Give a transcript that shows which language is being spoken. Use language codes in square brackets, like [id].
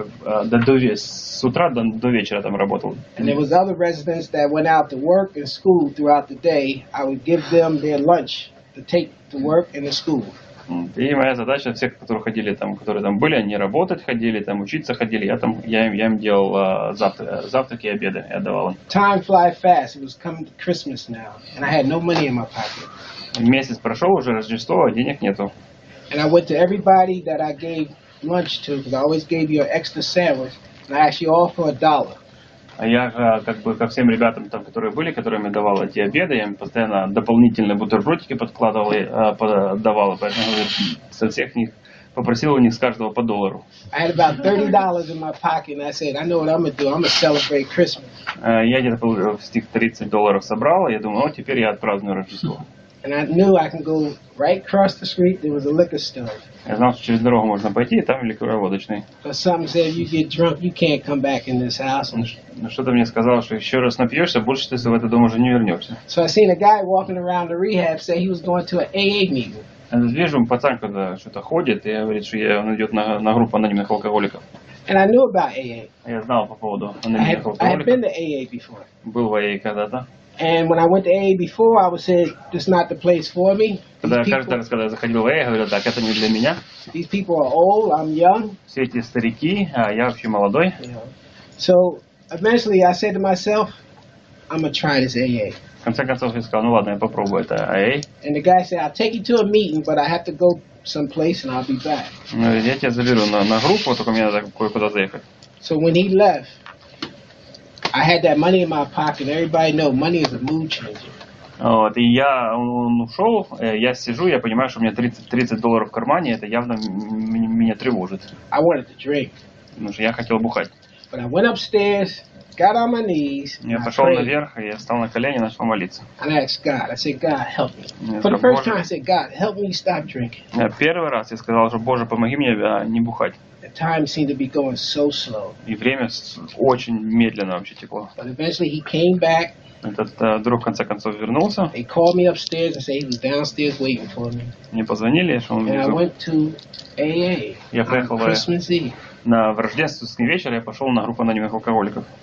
[ru] И с утра всю ночь до вечера там работал. [en] And there was other residents that went out to work and school throughout the day. I would give them their lunch to take to work and to school. [ru] И моя задача всех, которые ходили там, которые там были, они работать ходили, там учиться ходили. Я им делал завтраки и обеды, я давал им. [en] Time flies fast. It was coming to Christmas now, and I had no money in my pocket. [ru] Месяц прошел уже Рождество, денег нету. [en] And I went to everybody that I gave lunch to, because I always gave you an extra sandwich, and I asked you all for a dollar. [ru] А я как бы ко всем ребятам, там, которые были, которым я давал эти обеды, я им постоянно дополнительные бутербродики подкладывал и подавал. Поэтому я со всех них попросил у них с каждого по доллару. [en] I had about $30 in my pocket, and I said, I know what I'm gonna do, I'm gonna celebrate Christmas. [ru] Я где-то получил стих $30 собрал, и я думаю, ну теперь я отпраздную Рождество. [en] And I knew I can go right across the street, there was a liquor store. [ru] Я знал, что через дорогу можно пойти, и там ликероводочный. [en] But something said, you get drunk, you can't come back in this house. [ru] Ну что-то мне сказало, что еще раз напьешься, больше ты в этот дом уже не вернешься. [en] So I seen a guy walking around the rehab, say he was going to an AA meeting. [ru] Я вижу, пацан когда что-то ходит, и говорит, что он идет на группу анонимных алкоголиков. [en] And I knew about AA. [ru] Я знал по поводу анонимных алкоголиков. [en] I had been to AA before. [ru] Был в AA когда-то. [en] And when I went to AA before, I would say, this is not the place for me. [ru] Когда я заходил в AA, я говорил, так, это не для меня. [en] These people are old, I'm young. [ru] Все эти старики, а я вообще молодой. [en] So, eventually, I said to myself, I'm going to try this AA. [ru] В конце концов, я сказал, ну ладно, я попробую это AA. [en] And the guy said, I'll take you to a meeting, but I have to go someplace and I'll be back. [ru] Я тебя заберу на группу, только мне надо кое-куда заехать. [en] So, when he left, I had that money in my pocket. Everybody know money is a mood changer. [ru] Вот, и я, он ушел, я сижу, я понимаю, что у меня $30 в кармане, это явно меня тревожит. [en] I wanted to drink. [ru] Потому что я хотел бухать. [en] But I went upstairs, got on my knees. [ru] Я пошел наверх, я встал на колени, начал молиться. [en] And I asked God. I said, God, help me. For the first time, I said, God, help me stop drinking. [ru] Первый раз я сказал, что Боже, помоги мне не бухать. [en] Time seemed to be going so slow. [ru] И время очень медленно вообще текло. [en] But eventually he came back. [ru] Этот друг в конце концов вернулся. [en] He called me upstairs and said he was downstairs waiting for me. [ru] Мне позвонили, что он внизу. [en] And I went to AA. [ru] Я поехал в [en] Christmas Eve. [ru] На рождественский вечер я пошел на группу анонимных алкоголиков.